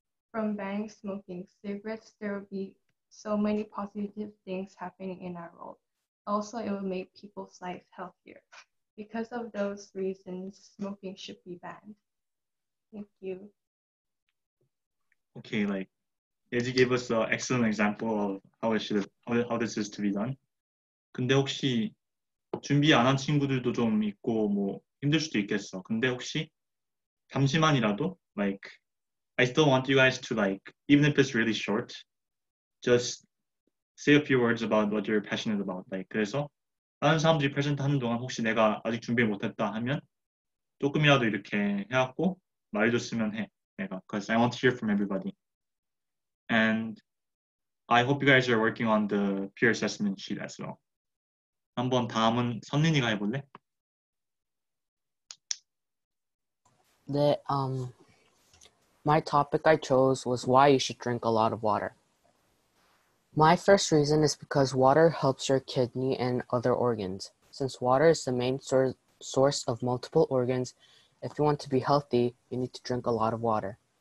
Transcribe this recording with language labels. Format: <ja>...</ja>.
<en>From banning smoking cigarettes, there would be so many positive things happening in our world. Also, it would make people's life healthier. Because of those reasons, smoking should be banned. Thank you. Okay, like, as you gave us an excellent example of how this is to be done.</en> <ko>근데 혹시 준비 안 한 친구들도 좀 있고 뭐 힘들 수도 있겠어. 근데 혹시 잠시만이라도</ko> <en>like I still want you guys to like even if it's really short, just say a few words about what you're passionate about.</en> <ko>Like 그래서 다른 사람들이 프레젠트 하는 동안 혹시 내가 아직 준비 못 했다 하면 조금이라도 이렇게 해갖고 말해줬으면 해. 내가</ko> <en>because I want to hear from everybody. And I hope you guys are working on the peer assessment sheet as well.</en> <ko>한번 다음은 선린이가 해볼래?</ko> <en>네, my topic I chose was why you should drink a lot of water. My first reason is because water helps your kidney and other organs. Since water is the main source of multiple organs, if you want to be healthy, you need to drink a lot of water.</en>